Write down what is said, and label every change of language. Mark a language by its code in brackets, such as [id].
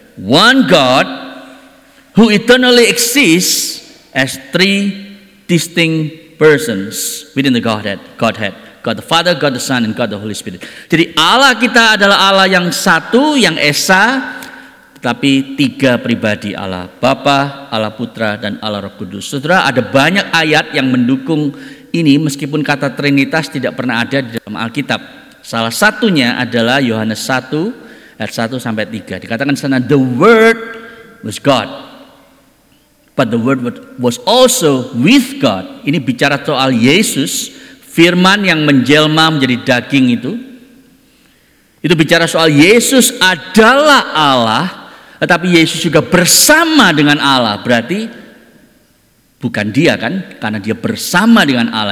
[en] One God who eternally exists as 3 distinct persons within the Godhead. God the Father, God the Son, and God the Holy Spirit. [id] Jadi Allah kita adalah Allah yang satu, yang Esa, tetapi 3 pribadi Allah. Bapa, Allah Putra, dan Allah Roh Kudus. Saudara, ada banyak ayat yang mendukung ini, meskipun kata Trinitas tidak pernah ada di dalam Alkitab. Salah satunya adalah Yohanes 1 ayat 1 sampai 3. Dikatakan sana, [en] "The Word was God, but the Word was also with God." [id] Ini bicara soal Yesus, firman yang menjelma menjadi daging itu. Itu bicara soal Yesus adalah Allah, tetapi Yesus juga bersama dengan Allah. Berarti bukan dia kan, karena dia bersama dengan Allah.